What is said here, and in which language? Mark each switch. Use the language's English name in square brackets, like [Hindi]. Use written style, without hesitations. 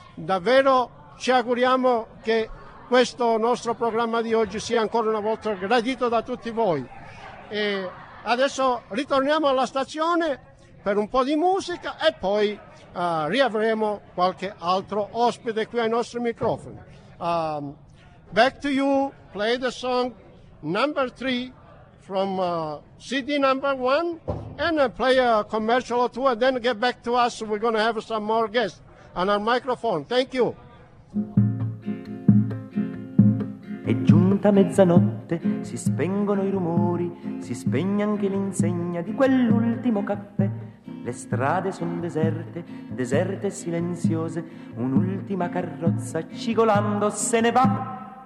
[Italian] Davvero ci auguriamo che questo nostro programma di oggi sia ancora una volta gradito da tutti voi. E adesso ritorniamo alla stazione per un po' di musica e poi riavremo qualche altro ospite qui ai nostri microfoni. [English] Back to you, play the song number 3 from CD number 1 and play a commercial or two and then get back to us. We're going to have some more guests on our microphone. Thank you. [Italian] diventa mezzanotte, si spengono i rumori, si spegne anche l'insegna di quell'ultimo caffè. Le strade sono deserte, deserte e silenziose, un'ultima carrozza cigolando se ne va.